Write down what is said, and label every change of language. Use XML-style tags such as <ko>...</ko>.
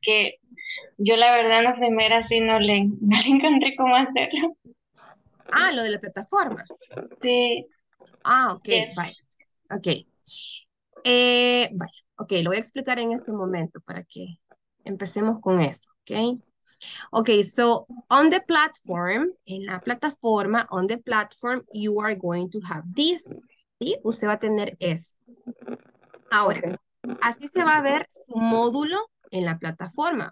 <es>Que yo la verdad en la primera sí no le encontré cómo hacerlo. Ah, lo de la plataforma. Sí. Ah, ok,</es> <en>Yes. bye. Ok. Bye.</en> <es>Ok, lo voy a explicar en este momento para que empecemos con eso. Ok.</es> <en>Ok, so on the platform,</en> <es>en la plataforma,</es> <en>on the platform, you are going to have this.</en> <es>¿Sí? Usted va a tener esto. Ahora, Okay. así se va a ver su módulo en la plataforma.</es>